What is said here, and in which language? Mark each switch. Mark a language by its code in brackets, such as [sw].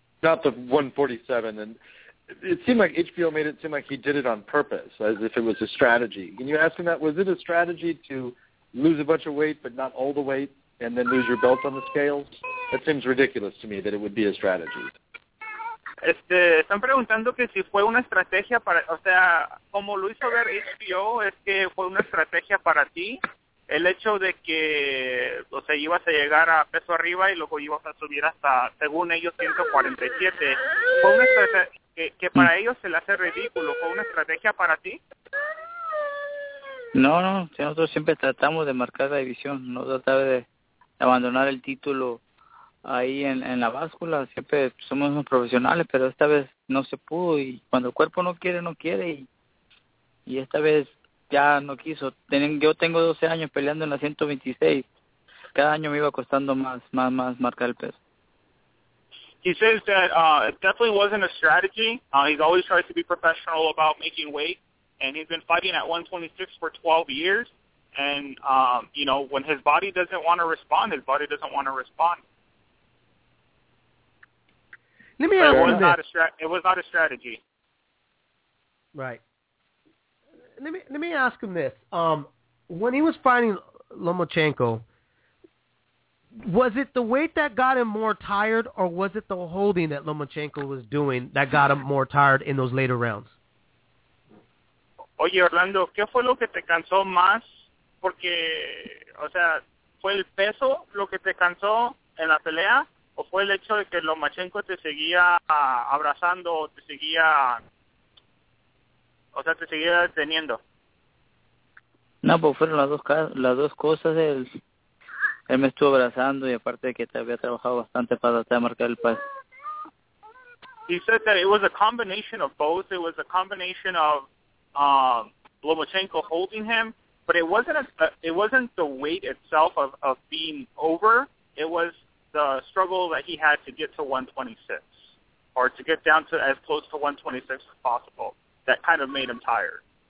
[en] Not the 147. And it seemed like HBO made it seem like he did it on purpose, as if it was a strategy. Can you ask him that? Was it a strategy to lose a bunch of weight, but not all the weight, and then lose your belt on the scales? That seems ridiculous to me that it would be a strategy. [es] Están preguntando que si fue una estrategia para, o sea, como lo hizo ver HBO, es que fue una estrategia para ti, el hecho de que, o sea, ibas a llegar a peso arriba y luego ibas a subir hasta, según ellos, 147, fue una estrategia que para ellos se le hace ridículo, ¿fue una estrategia para ti? No, nosotros siempre tratamos de marcar la división, no tratar de abandonar el título ahí en la báscula, siempre somos unos profesionales, pero esta vez no se pudo, y cuando el cuerpo no quiere, no quiere, y esta vez ya no quiso. Yo tengo 12 años peleando en la 126, cada año me iba costando más marcar el peso. [en] He says that it definitely wasn't a strategy. He's always tried to be professional about making weight, and he's been fighting at 126 for 12 years, and, you know, when his body doesn't want to respond, his body doesn't want to respond. Let me ask you this. It was not a strategy. Right. Let me ask him this. When he was fighting Lomachenko, was it the weight that got him more tired, or was it the holding that Lomachenko was doing that got him more tired in those later rounds? [es] Oye, Orlando, ¿qué fue lo que te cansó más? Porque, o sea, ¿fue el peso lo que te cansó en la pelea? ¿O fue el hecho de que Lomachenko te seguía abrazando o te seguía, o sea, te seguía deteniendo? No, pues fueron las dos cosas. Él me estuvo abrazando, y aparte de que te había trabajado bastante para tratar de marcar el paso. [en] He said that it was a combination of both. It was a combination of Lomachenko holding him, but it wasn't the weight itself of being over. It was the struggle that he had to get to 126, or to get down to as close to 126 as possible, that kind of made him tired.